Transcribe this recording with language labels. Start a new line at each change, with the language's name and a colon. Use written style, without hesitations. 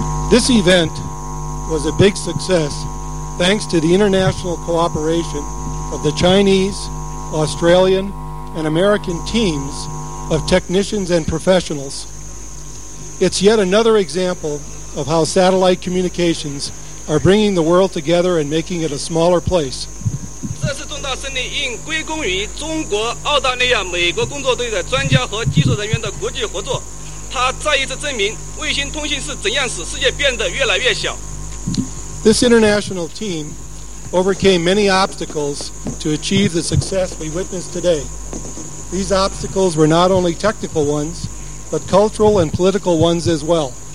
English: This eventwas a big success thanks to the international cooperation of the Chinese, Australian, and American teams of technicians and professionals. It's yet another example of how satellite communications are bringing the world together and making it a smaller place.
Chinese: 这次重大胜利应归功于中国、澳大利亚、美国工作队的专家和技术人员的国际合作。它再一次证明卫星通信是怎样使世界变得越来越小。
English: This international team overcame many obstacles to achieve the success we witnessed today. These obstacles were not only technical ones, but cultural and political ones as well.